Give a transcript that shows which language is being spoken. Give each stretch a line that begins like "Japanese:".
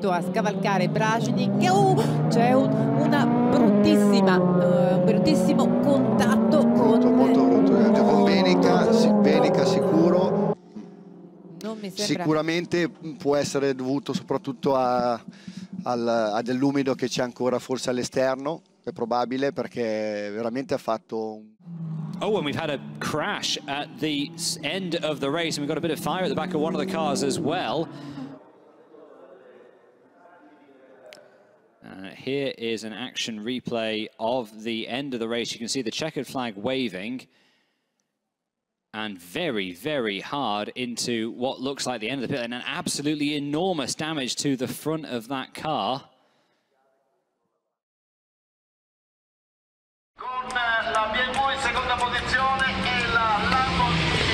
Italian: Cavalcare Bragini, che c'è una bruttissima bruttissimo contatto con Venica sicuro, non mi sembra. Sicuramente può essere dovuto soprattutto a dell'umido che c'è ancora forse all'esterno, è probabile, perché veramente ha fatto un...
English: Oh, and we've had a crash at the end of the race, we've got a bit of fire at the back of one of the cars as well. Here is an action replay of the end of the race. You can see the checkered flag waving and very, very hard into what looks like the end of the pit lane, and absolutely enormous damage to the front of that car.
Italian: Con la BMW in seconda posizione e la Lamborghini.